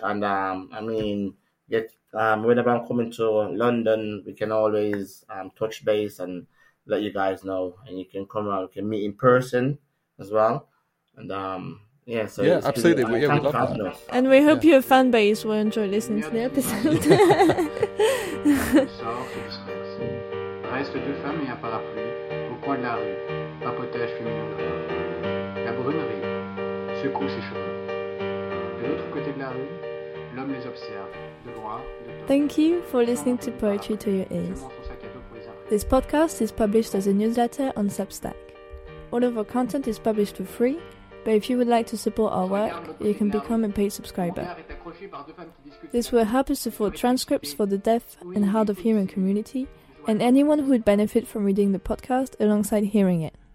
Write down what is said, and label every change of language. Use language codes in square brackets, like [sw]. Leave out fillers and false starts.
[en] And whenever I'm coming to London, we can always touch base and let you guys know. And you can come around, we can meet in person as well. And Absolutely. We'd love that. And we hope your fan base will enjoy listening to the episode. [fr] Reste deux femmes et un parapluie au coin de la rue, papotage féminin. La brune rit, secoue ses cheveux. De l'autre côté de la rue, l'homme les observe, de droit, de droit. [en] Thank you for listening to Poetry to Your Ears. This podcast is published as a newsletter on Substack. All of our content is published for free. But if you would like to support our work, you can become a paid subscriber. This will help us afford transcripts for the deaf and hard of hearing community, and anyone who would benefit from reading the podcast alongside hearing it.